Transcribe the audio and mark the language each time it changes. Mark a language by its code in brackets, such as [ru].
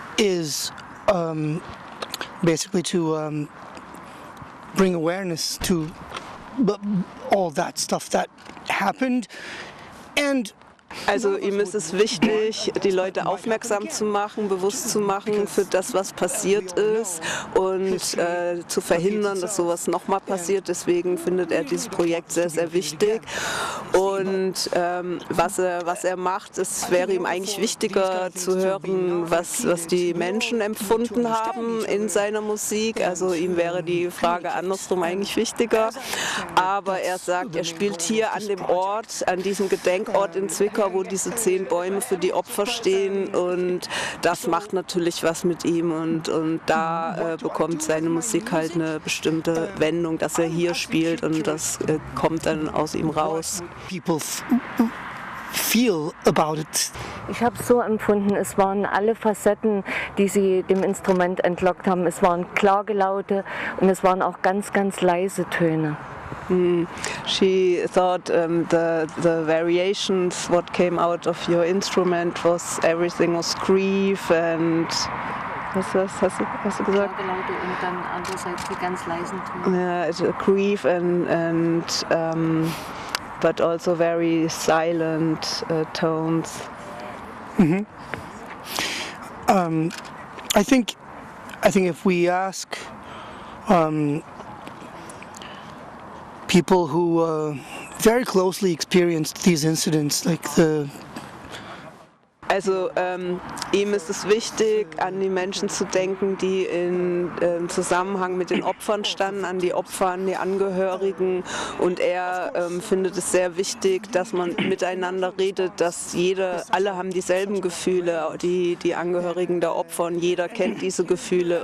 [en] is basically to bring awareness to all that stuff that happened and [de] Also ihm ist es wichtig, die Leute aufmerksam zu machen, bewusst zu machen für das, was passiert ist und zu verhindern, dass sowas nochmal passiert. Deswegen findet er dieses Projekt sehr, sehr wichtig. Und was er macht, es wäre ihm eigentlich wichtiger zu hören, was die Menschen empfunden haben in seiner Musik. Also ihm wäre die Frage andersrum eigentlich wichtiger. Aber er sagt, er spielt hier an dem Ort, an diesem Gedenkort in Zwickau, wo diese 10 Bäume für die Opfer stehen, und das macht natürlich was mit ihm, und da bekommt seine Musik halt eine bestimmte Wendung, dass er hier spielt, und das kommt dann aus ihm raus. [en] Feel about it. [de] Ich habe es so empfunden, es waren alle Facetten, die sie dem Instrument entlockt haben. Es waren Klagelaute und es waren auch ganz, ganz leise Töne. [en] She thought the variations, what came out of your instrument, was everything was grief and [de] was hast du gesagt? Klagelaute und dann andererseits die ganz leisen Töne. [en] Yeah, it's grief and but also very silent tones. Mm-hmm. I think if we ask people who very closely experienced these incidents, like the [de] Also ihm ist es wichtig, an die Menschen zu denken, die in Zusammenhang mit den Opfern standen, an die Opfer, an die Angehörigen. Und er findet es sehr wichtig, dass man miteinander redet, dass alle haben dieselben Gefühle, die Angehörigen der Opfer, und jeder kennt diese Gefühle.